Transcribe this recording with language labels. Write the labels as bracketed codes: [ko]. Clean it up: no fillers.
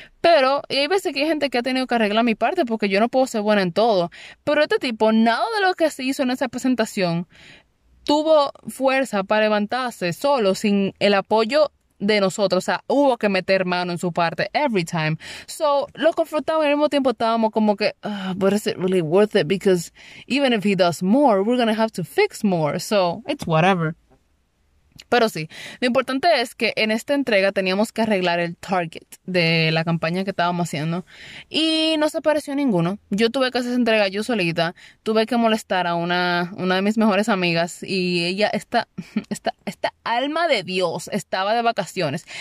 [es] Pero y hay veces que hay gente que ha tenido que arreglar mi parte porque yo no puedo ser buena en todo. Pero este tipo, nada de lo que se hizo en esa presentación tuvo fuerza para levantarse solo sin el apoyo de nosotros. O sea, hubo que meter mano en su parte [en] every time. [es] So, lo confrontamos y al mismo tiempo estábamos como que, [en] but is it really worth it? Because even if he does more, we're gonna have to fix more. So, it's whatever. [es] Pero sí, lo importante es que en esta entrega teníamos que arreglar el target de la campaña que estábamos haciendo y no se apareció ninguno. Yo tuve que hacer esa entrega yo solita, tuve que molestar a una de mis mejores amigas y ella, esta alma de Dios, estaba de vacaciones.